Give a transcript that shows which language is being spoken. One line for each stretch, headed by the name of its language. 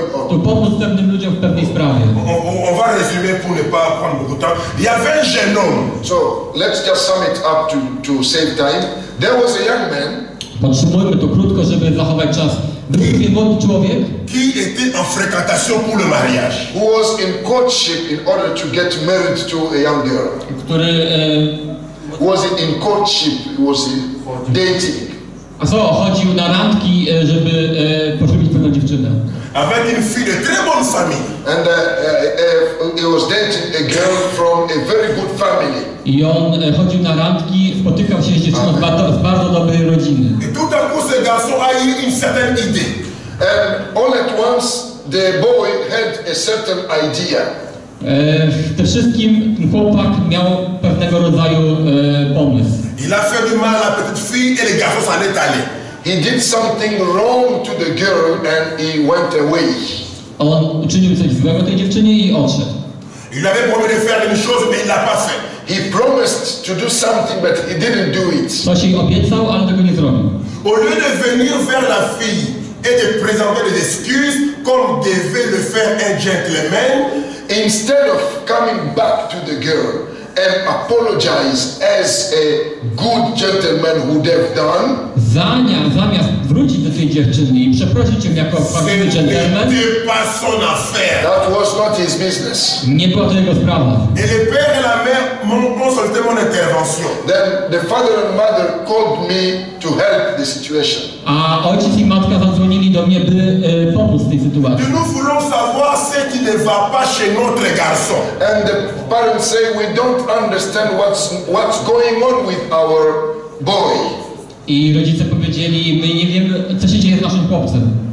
Polish: to pomóc pewnym ludziom w pewnej sprawie.
French: On va résumer pour ne pas prendre beaucoup de temps. Il y avait un jeune homme.
English: So, let's just sum it up to save time. There was a young man.
Polish: Podsumujmy to krótko, żeby zachować czas. Był młody człowiek,
French: qui était en fréquentation pour le mariage.
English: Who was in courtship in order to get married to a young girl.
Polish: Który
English: was in courtship, was in dating.
Polish: A co, chodził na randki, żeby poślubić pewną dziewczynę.
French: Avec une fille de très bonne famille.
English: And he was dating a girl from a very good family.
Polish: I on chodził na randki, spotykał się z dziewczyną z bardzo dobrej rodziny.
French: Et tout à coup ce garçon a eu une certaine idée.
English: And all at once the boy had a certain idea.
Polish: W tym wszystkim chłopak miał pewnego rodzaju pomysł.
French: Il a fait du mal à la petite fille et le garçon s'en est allé.
English: He did something wrong to the girl and he went away.
Polish: On uczynił coś złego tej dziewczynie i odszedł.
French: Il avait promis de faire une chose mais il l'a pas fait.
English: He promised to do something but he didn't do it.
Polish: Coś jej obiecał, ale tego nie zrobił.
French: Au lieu de venir vers la fille et de présenter des excuses comme devait le faire un gentleman,
English: instead of coming back to the girl and apologize as a good gentleman would have done.
Polish: Zamiast wrócić do tej dziewczyny i przeprosić ją jako prawdziwy gentleman.
French: C'était pas son affaire.
English: That was not his business.
Polish: Nie była to jego sprawa.
French: Et le père et la mère m'ont consulté mon intervention.
English: Then the father and mother called me to help the situation.
Polish: A ojciec i matka zadzwonili do mnie, by pomóc w tej sytuacji.
French: Nous voulons savoir ce qui ne va pas chez notre garçon.
English: And the parents say we don't understand what's going on with our boy.
Polish: I rodzice powiedzieli, my nie wiemy, co się dzieje z naszym chłopcem.